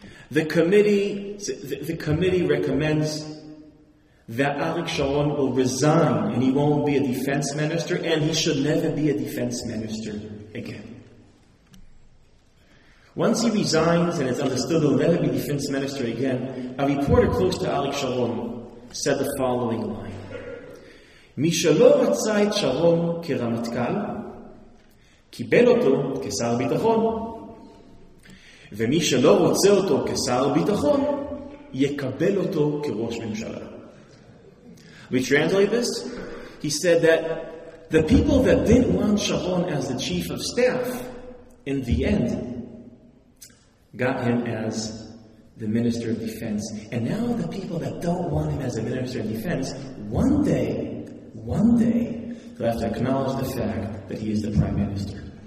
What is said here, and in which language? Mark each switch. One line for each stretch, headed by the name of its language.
English: The committee recommends that Alex Sharon will resign and he won't be a defense minister and he should never be a defense minister again. Once he resigns and it's understood he'll never be defense minister again, a reporter close to Alex Sharon said the following line.
Hebrew: Mi shelo ratza et Sharon keramatkal, kibel oto kesar bitachon, ומי שלא רוצה אותו כשר ביטחון, יקבל אותו כראש ממשלה.
English: We translate this. He said that the people that didn't want Sharon as the chief of staff, in the end, got him as the minister of defense. And now the people that don't want him as a minister of defense, one day, they'll have to acknowledge the fact that he is the prime minister.